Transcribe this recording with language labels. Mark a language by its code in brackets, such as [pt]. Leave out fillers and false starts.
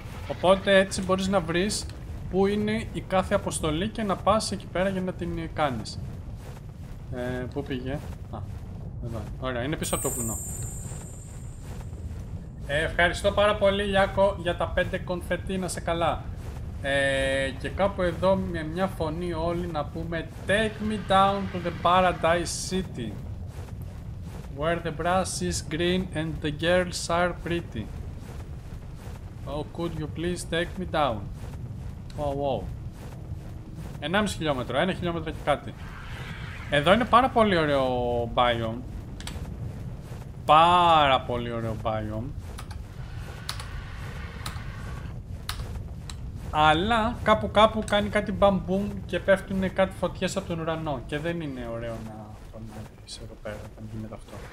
[el] Οπότε έτσι μπορείς να βρεις που είναι η κάθε αποστολή και να πας εκεί πέρα για να την κάνεις. Πού πήγε? Α, εδώ. Ωραία, είναι πίσω από το βουνό. Ευχαριστώ πάρα πολύ, Ιάκο, για τα 5 κονφετί, να σε καλά. Και κάπου εδώ με μια φωνή όλοι να πούμε [en] Take me down to the paradise city, where the grass is green and the girls are pretty. Oh, could you please take me down? Wow. [el] 1,5 χιλιόμετρο, 1 χιλιόμετρο και κάτι. Εδώ είναι πάρα πολύ ωραίο biome. Πάρα πολύ ωραίο biome. Αλλά κάπου κάνει κάτι μπαμπούμ και πέφτουν κάτι φωτιές από τον ουρανό. Και δεν είναι ωραίο να τον έχεις εδώ πέρα, όταν γίνεται αυτό.